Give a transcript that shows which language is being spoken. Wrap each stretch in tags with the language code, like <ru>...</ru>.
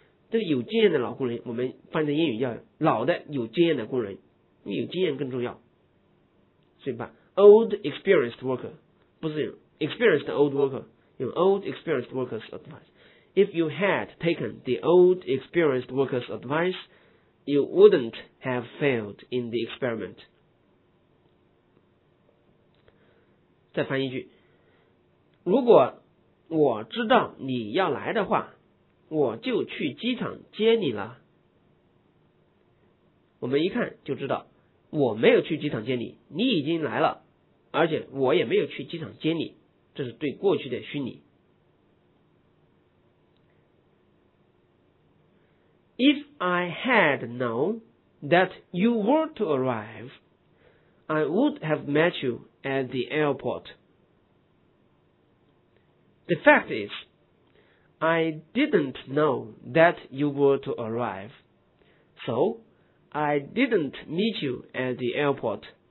<zh>这个有经验的老工人，我们翻译成英语叫老的有经验的工人，因为有经验更重要，所以把</zh> <en>old experienced worker</en> <zh>不是</zh> <en>experienced old worker，</en> <zh>用</zh> <en>old experienced worker's advice。 If you had taken the old experienced worker's advice, you wouldn't have failed in the experiment.</en> <zh>再翻译一句，如果我知道你要来的话，我就去机场接你了。我们一看就知道，我没有去机场接你，你已经来了，而且我也没有去机场接你，这是对过去的虚拟。</zh> <en>If I had known that you were to arrive, I would have met you at the airport. The fact is, I didn't know that you were to arrive, so I didn't meet you at the airport.</en>